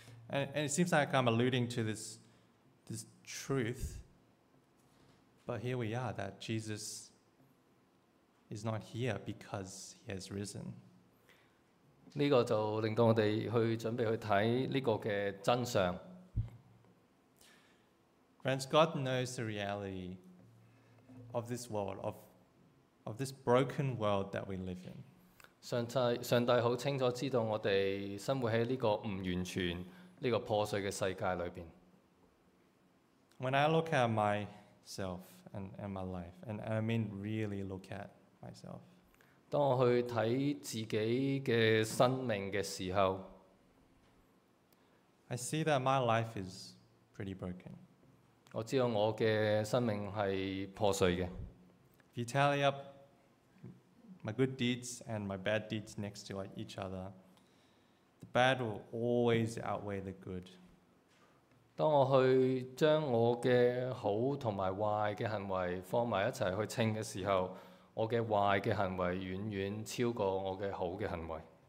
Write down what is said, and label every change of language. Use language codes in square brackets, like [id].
[en] And it seems like I'm alluding to this truth, but here we are that Jesus is not here because he has risen. [yue] 呢個就令到我哋去準備去睇呢個嘅真相。 [en] Friends, God knows the reality of this world of this broken world that we live in. [yue] 上帝好清楚知道我哋生活喺呢個唔完全、呢個破碎嘅世界裏邊。 [en] When I look at myself and my life, and I mean really look at myself. [yue] 當我去睇自己嘅生命嘅時候 [en] ，I see that my life is pretty broken. [yue] 我知道我嘅生命係破碎嘅。 [en] If you tally up my good deeds and my bad deeds next to each other, the bad will always outweigh the good. [yue] 當我去將我嘅好同埋壞嘅行為放埋一齊去稱嘅時候，我嘅壞嘅行為遠遠超過我嘅好嘅行為。